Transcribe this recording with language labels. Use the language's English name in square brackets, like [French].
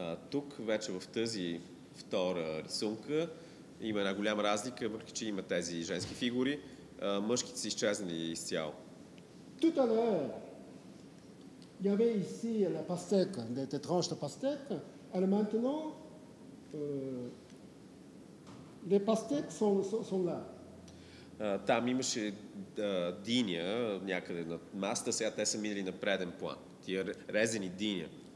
[Bulgarian] Тук вече в тази втора рисунка има една голяма разлика, въпреки че има тези женски фигури, мъжките са изчезнали изцяло. [French] Tout à l'heure, il y avait ici la pastèque, des tranches de pastèque, alors maintenant, les pastèques sont là. [Bulgarian] Там имаше диня някъде на масата, сега те са минали на преден план, тия резени диня.